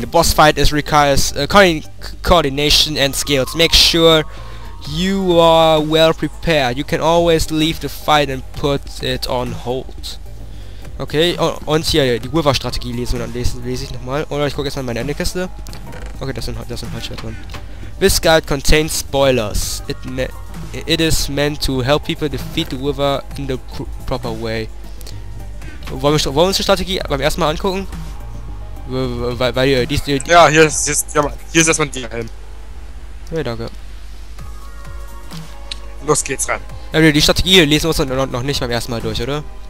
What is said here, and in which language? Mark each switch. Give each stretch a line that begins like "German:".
English: The boss fight is requires coordination and skills. Make sure you are well prepared. You can always leave the fight and put it on hold.
German: Okay, und hier die Wither-Strategie lesen und dann lese ich nochmal. Oder ich gucke jetzt mal in meine Endekiste. Okay, das sind Holzschwert drin.
English: This guide contains spoilers. It is meant to help people defeat the Wither in the proper way.
German: Wollen wir uns die Strategie beim ersten Mal angucken? Hier ist erstmal die Helm. Okay, danke. Los geht's rein. Also die Strategie lesen wir uns noch nicht beim ersten Mal durch, oder?